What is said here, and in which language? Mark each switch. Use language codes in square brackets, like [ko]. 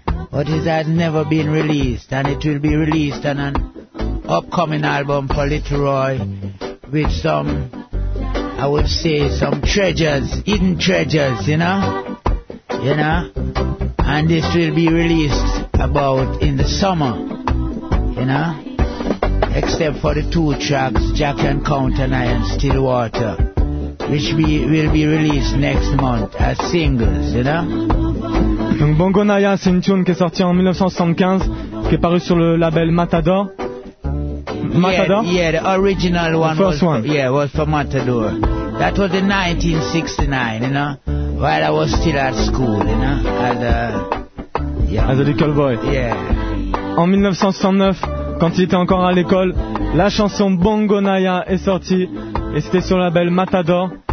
[en] But it has never been released and it will be released on an upcoming album for Little Roy with some, I would say, some treasures, hidden treasures, you know, and this will be released about in the summer, you know, except for the two tracks, Jack and Count and I and Stillwater, which will be released next month as singles, you know. [fr] Donc Bongonaya, c'est une tune qui est sortie en 1975, qui est parue sur le label Matador. [en] Matador? Yeah, the original one, the first was, one. Yeah, was for Matador. That was in 1969, you know, while I was still at school, you know, as a young, as a little boy. Yeah. [fr] En 1969, quand il était encore à l'école, la chanson Bongonaya est sortie et c'était sur le label Matador.